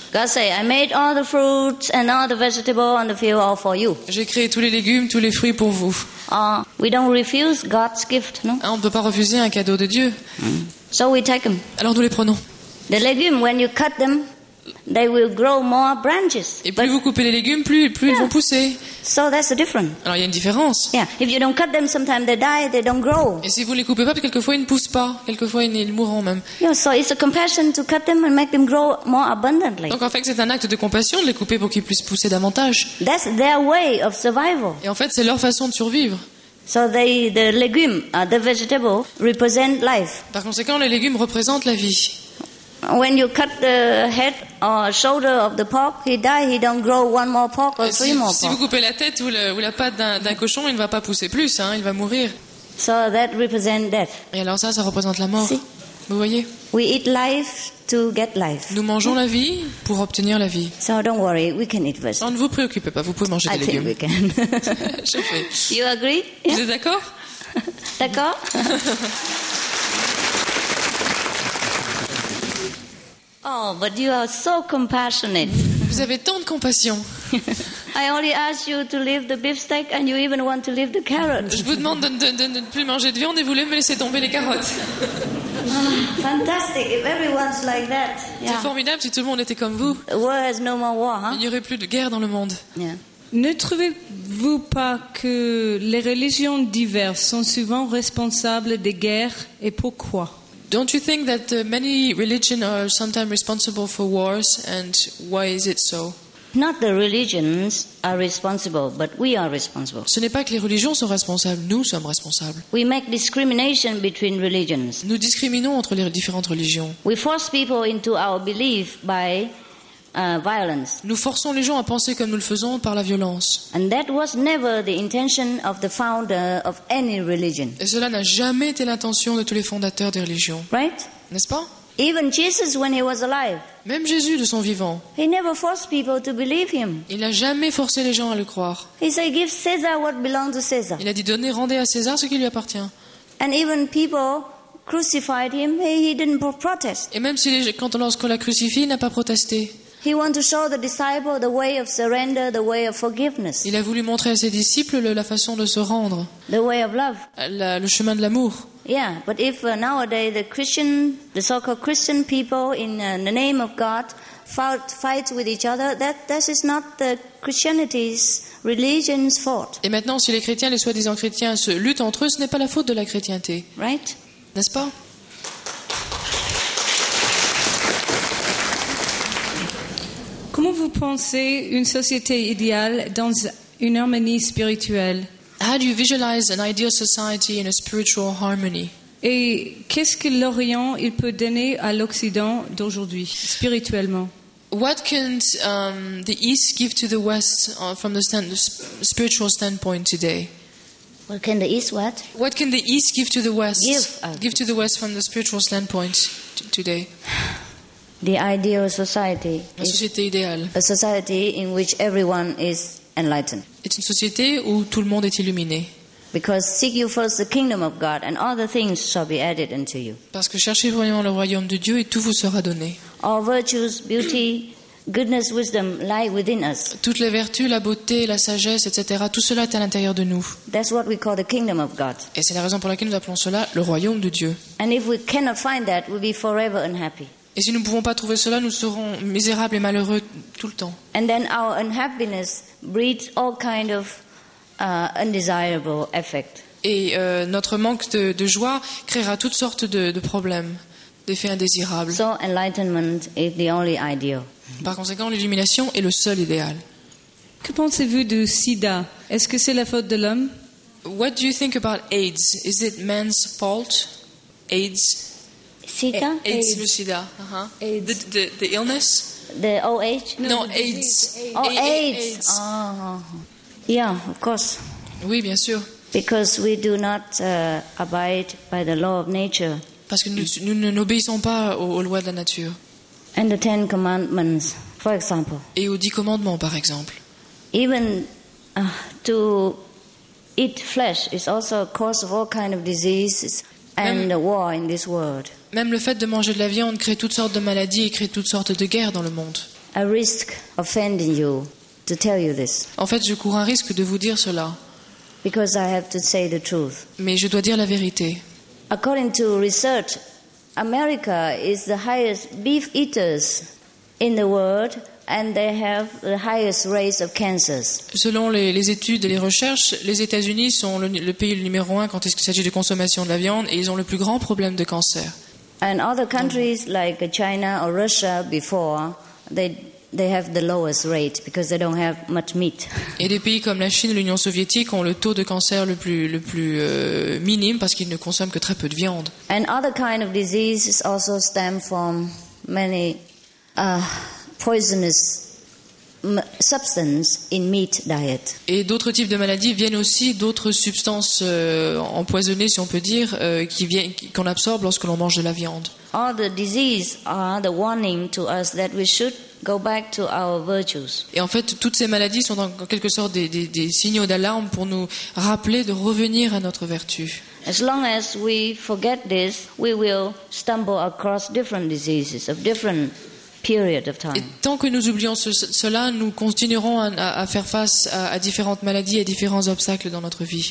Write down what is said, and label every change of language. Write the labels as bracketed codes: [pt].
[en] God say, I made all the fruits and all the vegetables on the field all for you. [fr] J'ai créé tous les légumes, tous les fruits pour vous. [en] We don't refuse God's gift, no? [fr] On ne peut pas refuser un cadeau de Dieu. [en] So we take them. [fr] Alors nous les prenons. [en] The legumes, when you cut them. they will grow more branches. [fr] Et plus vous coupez les légumes, plus ils vont pousser. [en] So that's the difference. [fr] Alors il y a une différence. [en] Yeah. If you don't cut them, sometimes they die, they don't grow. [fr] Et si vous les coupez pas, quelquefois ils ne poussent pas, quelquefois ils mourront même. [en] Yeah, so it's a compassion to cut them and make them grow more abundantly. [fr] Donc en fait, c'est un acte de compassion de les couper pour qu'ils puissent pousser davantage. [en] That's their way of survival. [fr] Et en fait, c'est leur façon de survivre. [en] So the legumes, the vegetables represent life. [fr] Par conséquent, les légumes représentent la vie. [en] When you cut the head or shoulder of the pork, he die, he don't grow one more pork or three more pork. [fr] Si vous coupez la tête ou la patte d'un cochon, il ne va pas pousser plus, hein, il va mourir. [en] So that represents death. [fr] Et alors ça représente la mort. [en] See? [fr] Vous voyez? [en] We eat life to get life. [fr] Nous mangeons la vie pour obtenir la vie. [en] So don't worry, we can eat vegetables. [fr] Non, ne vous préoccupez pas, vous pouvez manger des légumes. [en] I think we can. [fr] Je fais. [en] You agree? [fr] Vous êtes d'accord? D'accord. [en] Oh, but you are so compassionate. [fr] Vous avez tant de compassion. [en] I only ask you to leave the beefsteak and you even want to leave the carrots. [fr] Je vous demande de ne plus manger de viande et vous voulez me laisser tomber les carottes. [en] Fantastic if everyone's like that. Yeah. [fr] C'est formidable si tout le monde était comme vous. [en] The world has no more war, [fr] Il n'y aurait plus de guerre dans le monde. [en] Yeah. [fr] Ne trouvez-vous pas que les religions diverses sont souvent responsables des guerres et pourquoi? [en] Don't you think that many religions are sometimes responsible for wars, and why is it so? Not the religions are responsible, but we are responsible. [fr] Ce n'est pas que les religions sont responsables, nous sommes responsables. [en] We make discrimination between religions. [fr] Nous discriminons entre les différentes religions. [en] We force people into our belief by violence. [fr] Nous forçons les gens à penser comme nous le faisons par la violence. [en] And that was never the intention of the founder of any religion. [fr] Et cela n'a jamais été l'intention de tous les fondateurs des religions. [en] Right? [fr] N'est-ce pas? [en] Even Jesus, when he was alive. [fr] Même Jésus de son vivant. [en] He never forced people to believe him. [fr] Il n'a jamais forcé les gens à le croire. [en] He said, "Give César what belongs to César." [fr] Il a dit, donnez, rendez à César ce qui lui appartient. [en] And even people crucified him, he didn't protest. [fr] Et même si lorsqu'on l'a crucifié, il n'a pas protesté. [en] He wanted to show the disciple the way of surrender, the way of forgiveness. [fr] Il a voulu montrer à ses disciples la façon de se rendre. [en] The way of love. [fr] Le chemin de l'amour. [en] Yeah, but if nowadays the so-called Christian people in the name of God fight with each other, that is not the Christianity's religion's fault. [fr] Et maintenant, si les chrétiens, les soi-disant chrétiens, se luttent entre eux, ce n'est pas la faute de la chrétienté. [en] Right? [fr] N'est-ce pas? Comment vous pensez une société idéale dans une harmonie spirituelle? [en] How do you visualize an ideal society in a spiritual harmony? [fr] Et qu'est-ce que l'Orient il peut donner à l'Occident d'aujourd'hui, spirituellement? [en] What can the East give to the West from the spiritual standpoint today? What can the East what? What can the East give to the West? Give to the West from the spiritual standpoint today? The ideal society. [fr] La société idéale. [en] A society in which everyone is enlightened. [fr] C'est une société où tout le monde est illuminé. [en] Because seek you first the kingdom of God and all the things shall be added unto you. [fr] Parce que cherchez premièrement le royaume de Dieu et tout vous sera donné. [en] All virtues, beauty, goodness, wisdom lie within us. [fr] Toutes les vertus, la beauté, la sagesse, etc., tout cela est à l'intérieur de nous. [en] That's what we call the kingdom of God. [fr] Et c'est la raison pour laquelle nous appelons cela le royaume de Dieu. [en] And if we cannot find that, we'll be forever unhappy. [fr] Et si nous ne pouvons pas trouver cela, nous serons misérables et malheureux tout le temps. [en] And then our unhappiness breeds all kind of undesirable effect. [fr] Et notre manque de joie créera toutes sortes de problèmes, d'effets indésirables. [en] So enlightenment is the only ideal. [fr] Par conséquent, l'illumination est le seul idéal. Que pensez-vous du sida? Est-ce que c'est la faute de l'homme? [en] What do you think about AIDS? Is it man's fault? AIDS? [fr] Sida? [en] AIDS, [fr] le sida. [en] The illness? The OH? No, AIDS. Oh, AIDS. Oh. Yeah, of course. [fr] Oui, bien sûr. [en] Because we do not abide by the law of nature. [fr] Parce que nous ne n'obéissons pas aux lois de la nature. [en] And the Ten Commandments, for example. [fr] Et aux 10 commandements, par exemple. [en] Even to eat flesh is also a cause of all kind of diseases and the war in this world. [fr] Même le fait de manger de la viande crée toutes sortes de maladies et crée toutes sortes de guerres dans le monde. [en] I risk offending you to tell you this. [fr] En fait, je cours un risque de vous dire cela. [en] Because I have to say the truth. [fr] Mais je dois dire la vérité. [en] According to research, America is the highest beef eaters in the world, and they have the highest rate of cancers. [fr] Selon les études et les recherches, les États-Unis sont le pays numéro un quand il s'agit de consommation de la viande, et ils ont le plus grand problème de cancer. [en] And other countries like China or Russia before, they have the lowest rate because they don't have much meat. [fr] Et des pays comme la Chine ou l'Union soviétique ont le taux de cancer le plus minime parce qu'ils ne consomment que très peu de viande. [en] And other kind of diseases also stem from many poisonous substances in meat diet. [fr] Et d'autres types de maladies viennent aussi d'autres substances empoisonnées, si on peut dire, qu'on absorbe lorsque l'on mange de la viande. [en] All the diseases are the warning to us that we should go back to our virtues. [fr] Et en fait, toutes ces maladies sont en quelque sorte des signaux d'alarme pour nous rappeler de revenir à notre vertu. [en] As long as we forget this, we will stumble across different diseases of different period of time. [fr] Et tant que nous oublions cela, nous continuerons à faire face à différentes maladies et différents obstacles dans notre vie.